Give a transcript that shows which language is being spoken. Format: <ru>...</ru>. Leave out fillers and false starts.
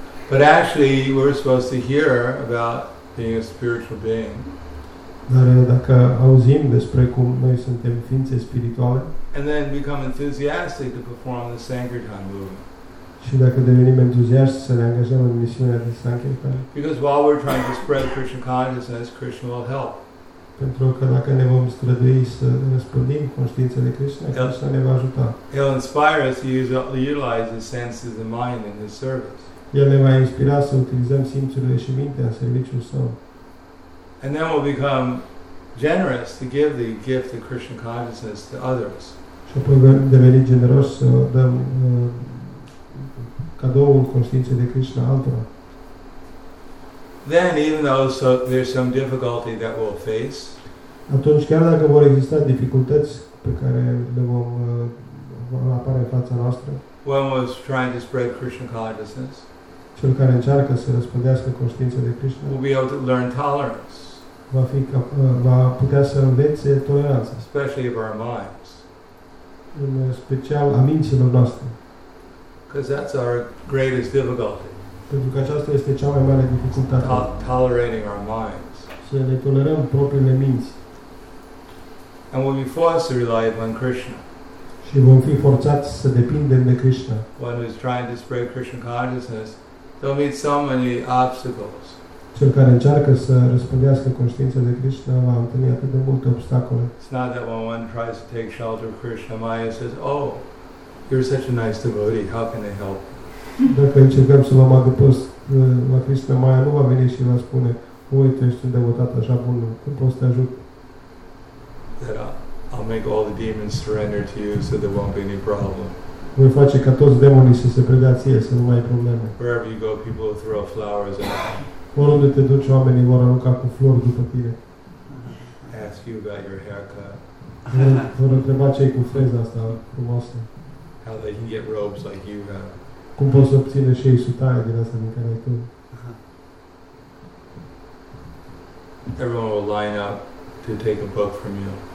<en>But actually, we're supposed to hear about being a spiritual being.</en> <ro>Dar dacă auzim despre cum noi suntem ființe spirituale,</ro> <en>and then become enthusiastic to perform the Sankirtan movement.</en> <ro>Și dacă devenim entuziaști să ne angajăm în misiunea de Sankirtan.</ro> <en>Because while we're trying to spread Krishna consciousness, Krishna will help.</en> <ro>Pentru că dacă ne vom strădui să răspândim conștiința de Krishna, Krishna ne va ajuta.</ro> <en>He'll inspire us to utilize his senses and mind in his service.</en> <ro>El ne va inspira să utilizăm simțurile și mintea în serviciul Său.</ro> <en>And then we'll become generous to give the gift of Krishna consciousness to others.</en> <ro>Și apoi vom deveni generos să dăm cadoul conștiinței de Krishna altora.</ro> <en>Then even though so there's some difficulty that we'll face.</en> <ro>Atunci chiar dacă vor exista dificultăți pe care le vom apare în fața noastră.</ro> <en>One was trying to spread Krishna consciousness.</en> <ro>Cel care încearcă să răspândească conștiința de Krishna</ro> <en>will be able to learn tolerance.</en> <ro>Va putea să învețe toleranța.</ro> <en>Especially of our minds.</en> <ro>În special a minților noastre.</ro> <en>Because that's our greatest difficulty.</en> <ro>Pentru că aceasta este cea mai mare dificultate.</ro> <en>Tolerating our minds.</en> <ro>Să ne tolerăm propriile minți.</ro> <en>And we'll be forced to rely upon Krishna.</en> <ro>Și vom fi forțați să depindem de Krishna.</ro> <en>One who is trying to spread Krishna consciousness, they'll meet so many obstacles.</en> <ro>Cel care încearcă să răspândească conștiința de Krishna va întâlni atât de multe obstacole.</ro> <en>It's not that when one tries to take shelter of Krishna Maya says, oh, you're such a nice devotee, how can I help?</en> <ro>Dacă încercăm să luăm adăpost la Krishna Maya, nu va veni și va spune, uite, ești un devotat așa bun, cum pot să te ajut?</ro> <en>That I'll make all the demons surrender to you so there won't be any problem.</en> <ro>Voi face ca toți demonii să se predea ție, să nu mai ai probleme.</ro> <en>Wherever you go, people will throw flowers at you.</en> <ro>Oriunde te duci, oamenii vor arunca cu flori după tine.</ro> <en>Ask you about your haircut.</en> <ro>Vor întreba ce-i cu freza asta frumoasă.</ro> <en>How they can get robes like you have.</en> <ro>Cum poți să obține și ei sutaie din asta din care ai tu.</ro> <en>everyone will line up to take a book from you.</en>